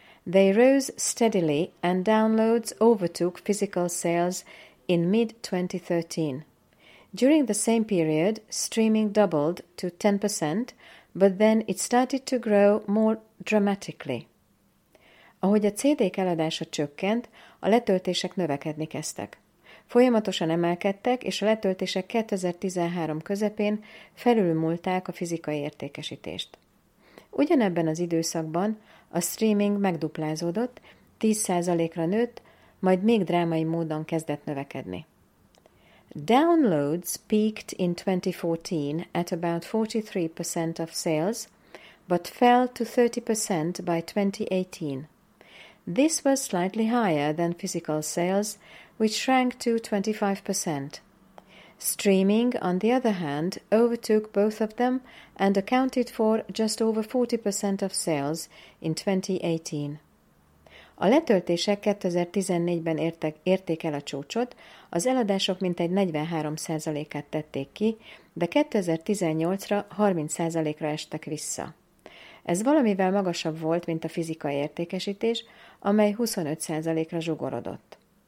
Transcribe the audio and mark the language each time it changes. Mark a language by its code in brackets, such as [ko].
[en] They rose steadily and downloads overtook physical sales in mid-2013. During the same period, streaming doubled to 10%, but then it started to grow more dramatically. [hu] Ahogy a CD-k eladása csökkent, a letöltések növekedni kezdtek. Folyamatosan emelkedtek, és a letöltések 2013 közepén felülmúlták a fizikai értékesítést. Ugyanebben az időszakban a streaming megduplázódott, 10%-ra nőtt, majd még drámai módon kezdett növekedni. [en] Downloads peaked in 2014 at about 43% of sales, but fell to 30% by 2018. This was slightly higher than physical sales, which shrank to 25%. Streaming, on the other hand, overtook both of them and accounted for just over 40% of sales in 2018. [hu] A letöltések 2014-ben érték el a csúcsot, az eladások mintegy 43%-át tették ki, de 2018-ra 30%-ra estek vissza. Ez valamivel magasabb volt, mint a fizikai értékesítés, amely 25%-ra zsugorodott.